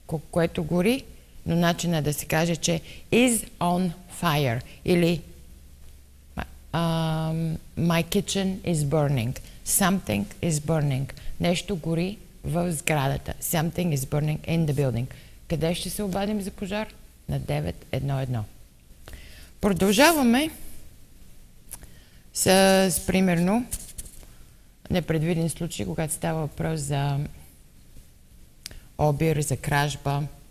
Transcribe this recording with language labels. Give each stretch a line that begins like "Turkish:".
Bulgarian: Което гори, но начинът да се каже, че
English: is on fire. Или my kitchen is burning. Something is burning.
Bulgarian: Нещо гори в сградата.
English: Something is burning in the building.
Bulgarian: Къде ще се обадим за пожар? На 911. Продължаваме с примерно непредвиден случай, когато става въпрос за обир, за кражба.